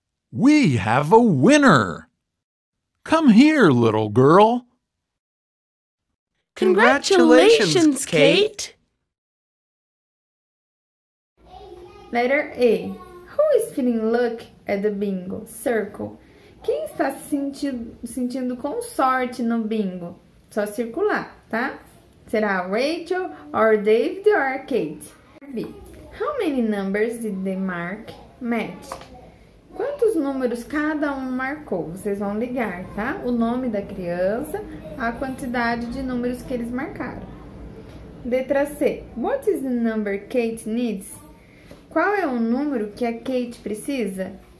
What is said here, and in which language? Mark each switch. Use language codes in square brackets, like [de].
[en] We have a winner. Come here, little girl. Congratulations, Kate. Letter A. Who is feeling lucky at the bingo circle? [pt] Quem está se sentindo com sorte no bingo? Só circular, tá? Será Rachel, [en] or David, or Kate? [pt] B. [en] How many numbers did they mark match? [pt] Quantos números cada um marcou? Vocês vão ligar, tá? O nome da criança, a quantidade de números que eles marcaram. Letra C. [en] What is the number Kate needs? [pt] Qual é o número que a Kate precisa?